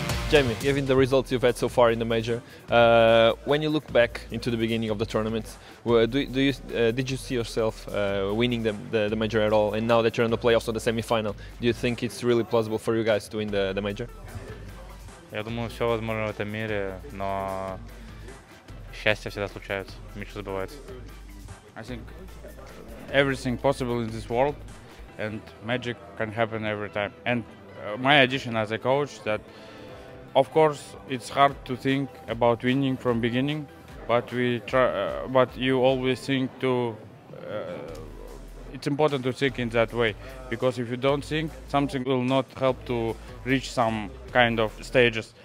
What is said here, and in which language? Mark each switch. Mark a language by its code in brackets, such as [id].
[en] Jamie, given the results you've had so far in the major, when you look back into the beginning of the tournament, did you see yourself winning the major at all? And now that you're in the playoffs or the semi-final, do you think it's really plausible for you guys to win the major? [ru] Я думаю, все возможно в этом мире, но счастье всегда случается, мечты сбываются. [en] I think everything possible in this world, and magic can happen every time. And my addition as a coach that. Of course, it's hard to think about winning from beginning, but we try. But you always think to. It's important to think in that way, because if you don't think, something will not help to reach some kind of stages.